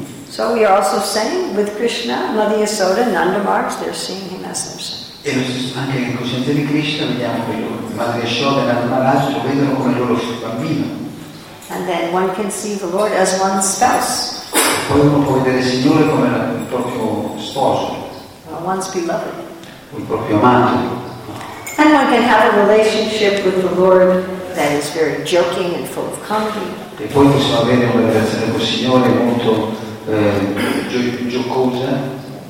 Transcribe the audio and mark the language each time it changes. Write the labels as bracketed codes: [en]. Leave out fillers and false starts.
[en] So we are also saying with Krishna, Mother Yasoda, Nanda Maharaj, they're seeing Him as their son. [it] E anche in coscienza di Krishna vediamo che Mother Yasoda e Nanda Maharaj lo vedono come il loro bambino. [en] And then one can see the Lord as one's spouse. [it] Poi uno può vedere il Signore come il proprio sposo. [en] Or one's beloved. [it] Il proprio amato. [en] And one can have a relationship with the Lord that is very joking and full of comedy. [it] E poi possiamo avere una relazione con il Signore molto giocosa.